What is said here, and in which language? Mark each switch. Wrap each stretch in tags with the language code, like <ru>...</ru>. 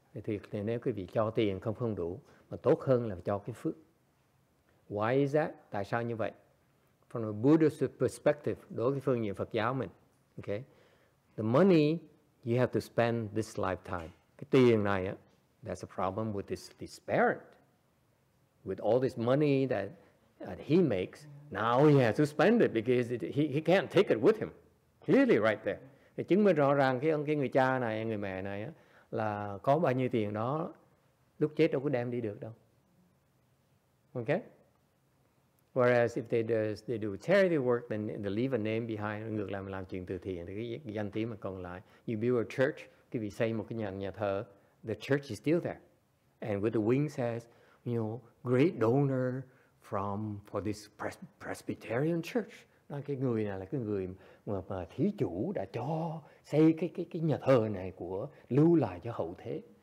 <vi>Thì nếu cái vị cho tiền không đủ, mà tốt hơn là cho cái phước.</vi> <en>Why is that?</en> <vi>Tại sao như vậy?</vi> <en>From a Buddhist perspective,</en> <vi>đối với phương diện Phật giáo mình,</vi> <en>okay, the money you have to spend this lifetime,</en> <vi>cái tiền này á,</vi> <en>that's a problem with this parent, with all this money that he makes, now he has to spend it because he can't take it with him. Clearly right there.</en> <vi>Thì chứng minh rõ ràng cái người cha này, người mẹ này á, là có bao nhiêu tiền đó, lúc chết đâu có đem đi được đâu.</vi> <en>Okay? Whereas if they do charity work, then they leave a name behind.</en> <vi>Ngược lại mình làm chuyện từ thiện, thì cái danh tiếng mà còn lại.</vi> <en>You build a church,</en> <vi>cái vị xây một cái nhà thờ,</vi> <en>the church is still there. And with the wing says, you know, great donor, for this Presbyterian church.</en> <vi>Đó, cái người này là cái người mà thí chủ đã cho xây cái nhà thờ này của lưu lại cho hậu thế.</vi>